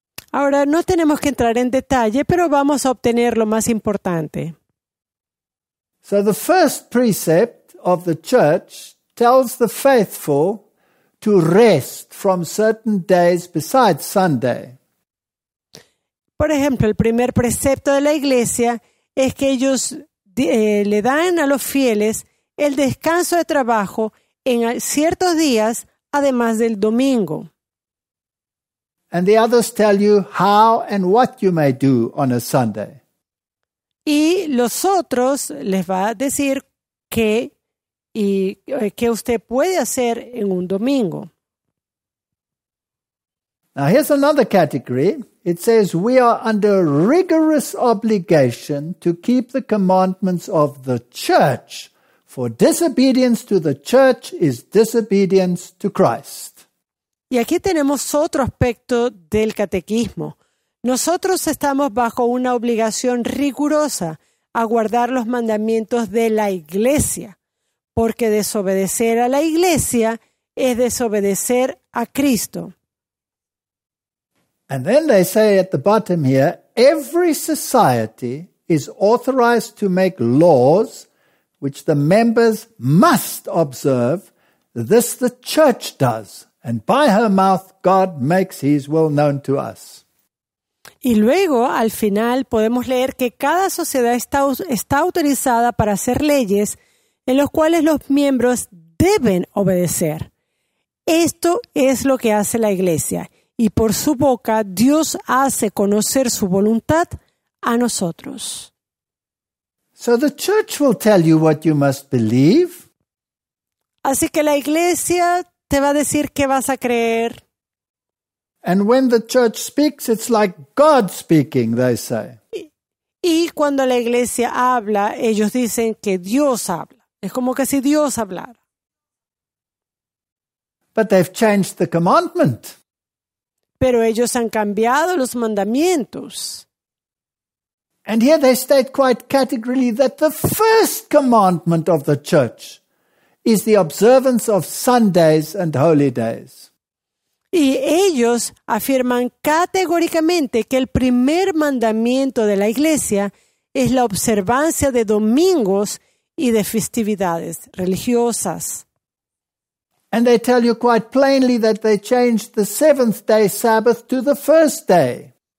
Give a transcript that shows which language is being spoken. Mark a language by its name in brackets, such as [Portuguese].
[Spanish] Ahora, no tenemos que entrar en detalle, pero vamos a obtener lo más importante. [English] So, the first precept of the church tells the faithful to rest from certain days besides Sunday. [Spanish] Por ejemplo, el primer precepto de la iglesia es que ellos le dan a los fieles el descanso de trabajo en ciertos días, además del domingo. [English] And the others tell you how and what you may do on a Sunday. [Spanish] Y los otros les va a decir qué y qué usted puede hacer en un domingo. [English] Now here's another category. It says we are under rigorous obligation to keep the commandments of the church, for disobedience to the church is disobedience to Christ. [Spanish] Y aquí tenemos otro aspecto del catecismo. Nosotros estamos bajo una obligación rigurosa a guardar los mandamientos de la iglesia, porque desobedecer a la iglesia es desobedecer a Cristo. [English] And then they say at the bottom here, every society is authorized to make laws which the members must observe. This the church does, and by her mouth God makes his will known to us. [Spanish] Y luego, al final, podemos leer que cada sociedad está autorizada para hacer leyes en los cuales los miembros deben obedecer. Esto es lo que hace la iglesia. Y por su boca, Dios hace conocer su voluntad a nosotros. [English] So the church will tell you what you must believe. [Spanish] Así que la iglesia te va a decir qué vas a creer. [English] And when the church speaks, it's like God speaking, they say. [Spanish] Y cuando la iglesia habla, ellos dicen que Dios habla. Es como que si Dios hablara. [English] But they've changed the commandment. [Spanish] Pero ellos han cambiado los mandamientos. [English] And here they state quite categorically that the first commandment of the church is the observance of Sundays and holy days. [Spanish] Y ellos afirman categóricamente que el primer mandamiento de la iglesia es la observancia de domingos y de festividades religiosas. [English] And they tell you quite plainly that they changed the seventh day Sabbath to the first day.